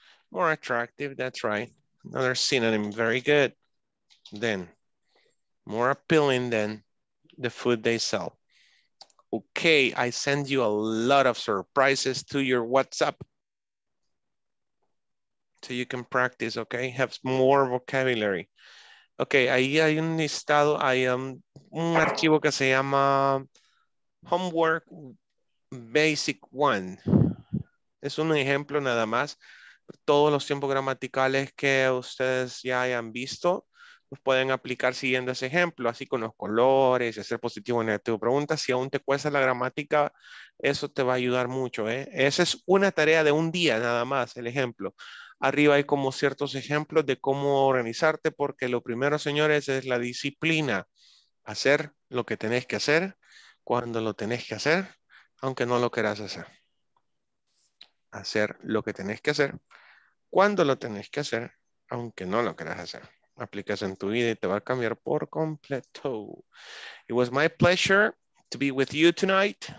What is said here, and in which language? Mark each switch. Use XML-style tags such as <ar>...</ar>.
<en>More attractive, that's right. Another synonym, very good. Then, more appealing than the food they sell. Okay, I send you a lot of surprises to your WhatsApp so you can practice, okay? Have more vocabulary.</en> <es>Okay, ahí hay un listado, hay un archivo que se llama Homework Basic One. Es un ejemplo nada más. Todos los tiempos gramaticales que ustedes ya hayan visto los pueden aplicar siguiendo ese ejemplo, así con los colores, hacer positivo o negativo. Pregunta si aún te cuesta la gramática, eso te va a ayudar mucho. Esa es una tarea de un día nada más, el ejemplo. Arriba hay como ciertos ejemplos de cómo organizarte, porque lo primero, señores, es la disciplina. Hacer lo que tenés que hacer, cuando lo tenés que hacer, aunque no lo quieras hacer. Hacer lo que tenés que hacer, cuando lo tenés que hacer, aunque no lo quieras hacer. Aplicas en tu vida y te va a cambiar por completo.</es> <en>It was my pleasure to be with you tonight.</en>